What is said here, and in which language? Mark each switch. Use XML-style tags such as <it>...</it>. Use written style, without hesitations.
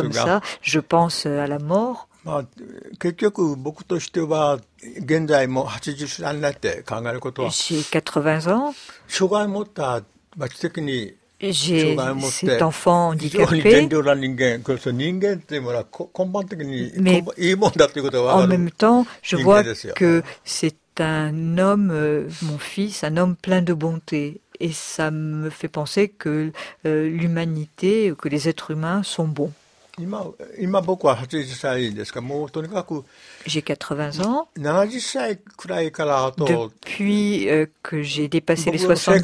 <fr>Un être comme ça, je pense à la mort.</fr> <ja>まあ結局僕としては現在も80歳になって考えることは。</ja> <fr>J'ai 80 ans.</fr> <ja>障害を持った、まあ、知的に。</ja> <fr>J'ai cet enfant handicapé.</fr> <ja>非常に善良な人間、これ人間っていうものは根本的にいいもんだということは分かる人間ですよ。</ja> <fr>Que c'est un homme, mon fils, un homme plein de bonté. Et ça me fait penser que l'humanité, que les êtres humains sont bons.</fr> <ja>今僕は80歳ですか。もうとにかく。</ja> <fr>J'ai 80 ans.</fr> <ja>70歳くらいからあと。</ja> <fr>Depuis que j'ai dépassé les 70 ans.</fr>